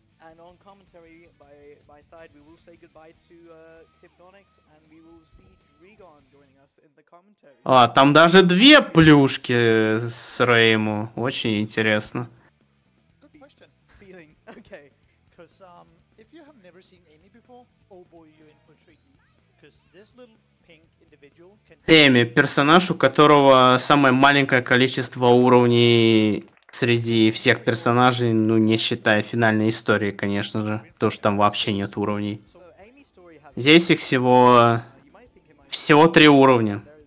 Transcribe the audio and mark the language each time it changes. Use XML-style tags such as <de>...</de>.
<en>And on commentary by side, we will say goodbye to Hypnonix, and we will see Dragon joining us in the commentary.</en> <ru>А, там даже две плюшки с Рейму. Очень интересно.</ru> <en>Good question. Feeling. Okay. Because if you have never seen Amy before, oh boy, you're in for a treat. Because this little pink individual can...</en> <ru>Amy, персонаж, у которого самое маленькое количество уровней... Среди всех персонажей, ну не считая финальной истории, конечно же, то, что там вообще нет уровней. Здесь их всего три уровня.</ru>